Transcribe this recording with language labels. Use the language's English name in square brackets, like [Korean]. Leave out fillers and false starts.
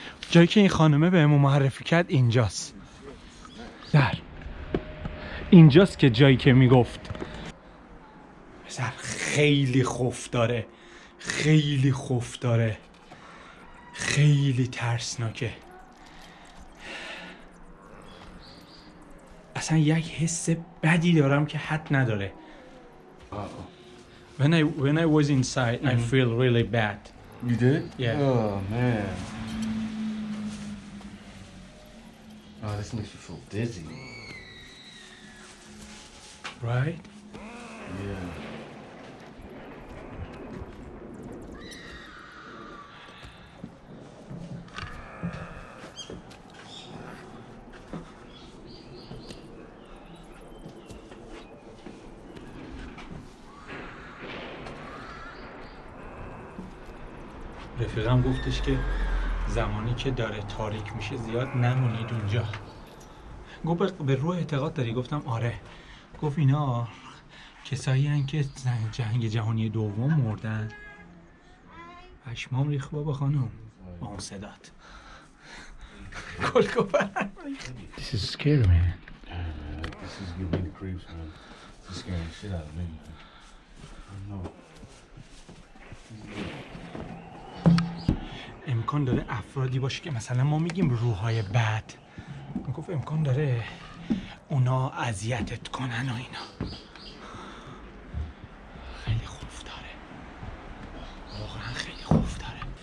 [Persian] جایی که این خانمه به امون معرفی کرد اینجاست، در اینجاست که جایی که میگفت بسر خیلی خوف داره، خیلی خوف داره، خیلی ترسناکه. اصلا یک حس بدی دارم که حد نداره. [English] When I was inside, I feel really bad. You did? Yeah. Oh man. Oh, this makes me feel dizzy. Right? [Persian] رفیقم گفتش که زمانی که داره تاریک میشه زیاد نمونید اونجا. گفت به روح اعتقاد داری؟ گفتم آره. گفت اینا کسایی هن که جنگ جهانی دوم مردن. پشمام ریخ بابا خانم با اون صدات کل گفت. [English] This is scary man. This is giving me the creeps man. This is scaring shit out of me man. I don't know. [Persian] امکان داره افرادی باشه که مثلا ما میگیم روح‌های بد، میگفت امکان داره اونا اذیتت کنن و اینا. خیلی خوف داره، واقعا خیلی خوف داره.